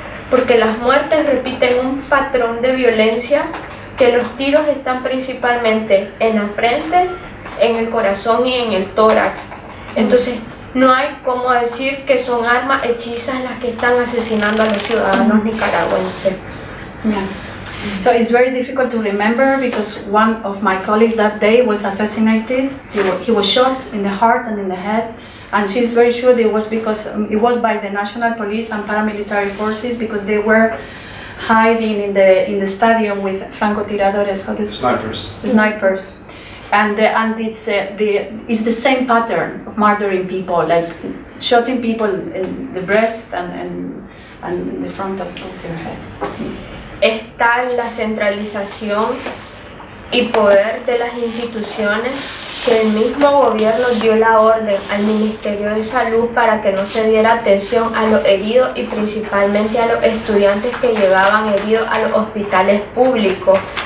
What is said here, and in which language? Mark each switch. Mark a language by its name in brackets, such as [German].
[Spanish] Porque las muertes repiten un patrón de violencia, que los tiros están principalmente en la frente, en el corazón y en el tórax. Entonces, no hay cómo decir que son armas hechizas las que están asesinando a los ciudadanos nicaragüenses. [English] So it's very difficult to remember, because one of my colleagues that day was assassinated. He was shot in the heart and in the head. And she's very sure that it was because it was by the national police and paramilitary forces, because they were hiding in the stadium with francotiradores. How do you snipers. Snipers. And it's the same pattern of murdering people, like shooting people in the breast and in the front of their heads. [Spanish] Está la centralización y poder de las instituciones. El mismo gobierno dio la orden al Ministerio de Salud para que no se diera atención a los heridos y principalmente a los estudiantes que llevaban heridos a los hospitales públicos.